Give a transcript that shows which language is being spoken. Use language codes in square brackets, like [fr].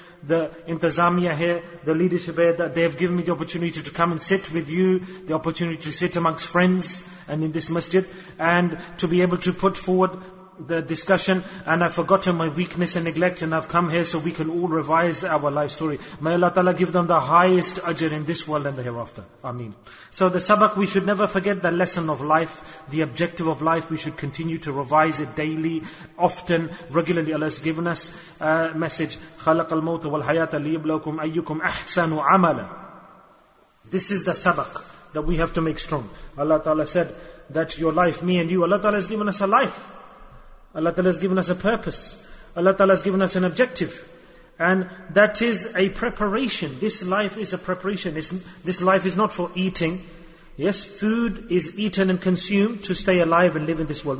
[en] the intizamiya here, the leadership here, that they have given me the opportunity to come and sit with you, the opportunity to sit amongst friends and in this masjid, and to be able to put forward the discussion, and I've forgotten my weakness and neglect, and I've come here so we can all revise our life story. May Allah Ta'ala give them the highest ajr in this world and the hereafter. Ameen. So the sabak, we should never forget the lesson of life, the objective of life. We should continue to revise it daily, often, regularly. Allah has given us a message, [ar] خَلَقَ الْمَوْتَ وَالْحَيَاةَ لِيَبْلَوْكُمْ أَيُّكُمْ أَحْسَنُ عَمَلًا. [en] This is the sabak that we have to make strong. Allah Ta'ala said that your life, me and you, Allah Ta'ala has given us a life. Allah Ta'ala has given us a purpose. Allah Ta'ala has given us an objective. And that is a preparation. This life is a preparation. This life is not for eating. Yes, food is eaten and consumed to stay alive and live in this world.